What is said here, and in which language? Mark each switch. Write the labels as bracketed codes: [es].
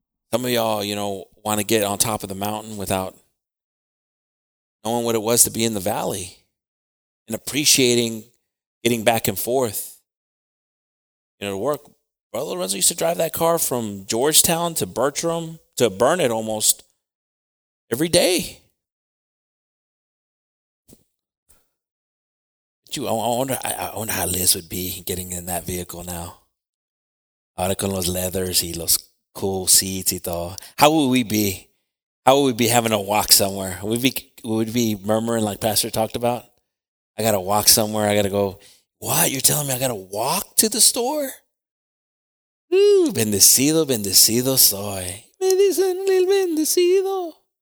[en] Some of y'all, you know, want to get on top of the mountain without knowing what it was to be in the valley and appreciating getting back and forth. You know, to work. Brother Lorenzo used to drive that car from Georgetown to Bertram to burn it almost every day. I wonder how Liz would be getting in that vehicle now. [es] Ahora con los leathers y los [en] cool seats [es] y todo. [en] How would we be? How would we be having a walk somewhere? Would we be murmuring like Pastor talked about? I got to walk somewhere. I got to go. What? You're telling me I got to walk to the store? [es] Ooh, bendecido, bendecido soy. Me dicen el bendecido.